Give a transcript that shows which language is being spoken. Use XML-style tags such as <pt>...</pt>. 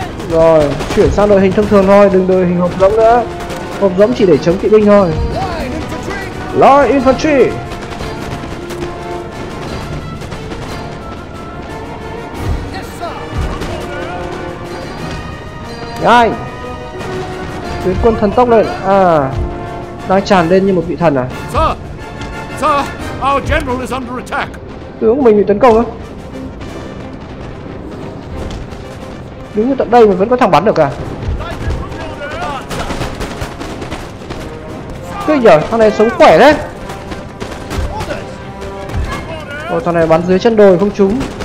<vi>Rồi, chuyển sang đội hình thông thường thôi, đừng đội hình hộp rỗng nữa. Hộp rỗng chỉ để chống kỵ binh thôi. Line infantry. Nhanh. Tuyến quân thần tốc lên. À, đang tràn lên như một vị thần à?</vi> <en>Sir, our general is under attack.</en> <vi>Tướng mình bị tấn công á? Đứng ở tận đây mà vẫn có thằng bắn được à? Cái gì vậy? Thằng này sống khỏe đấy. Ôi, thằng này bắn dưới chân đồi không trúng.</vi>